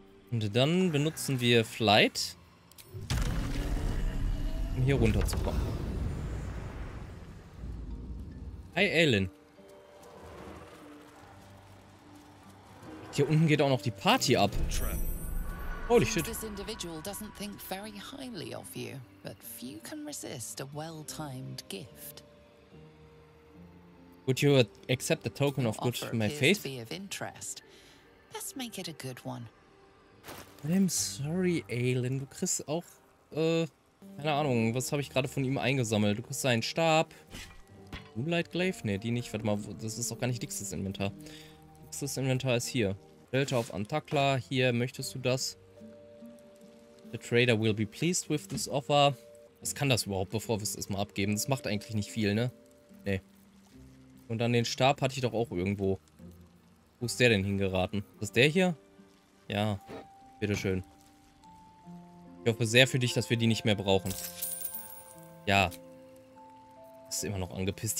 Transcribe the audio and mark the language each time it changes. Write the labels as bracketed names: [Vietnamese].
[German] Und dann benutzen wir Flight, um hier runterzukommen. [English] Hi, Aelin. [German] Hier unten geht auch noch die Party ab. [English] Holy shit. This individual doesn't think very highly of you, but few can resist a well-timed gift. Would you accept the token of good my faith? Be of interest. Let's make it a good one. I'm sorry, Aelin. [German] Du kriegst auch, keine Ahnung, was habe ich gerade von ihm eingesammelt? Du kriegst seinen Stab. Moonlight Glaive? Ne, die nicht. Warte mal, das ist doch gar nicht Dixis Inventar. Dixis Inventar ist hier. Delta of Antakla, hier, möchtest du das? [English] The trader will be pleased with this offer. [German] Was kann das überhaupt, bevor wir es erstmal abgeben? Das macht eigentlich nicht viel, ne? Nee. Und dann den Stab hatte ich doch auch irgendwo. Wo ist der denn hingeraten? Ist der hier? Ja, bitteschön. Ich hoffe sehr für dich, dass wir die nicht mehr brauchen. Ja. Ist immer noch angepisst.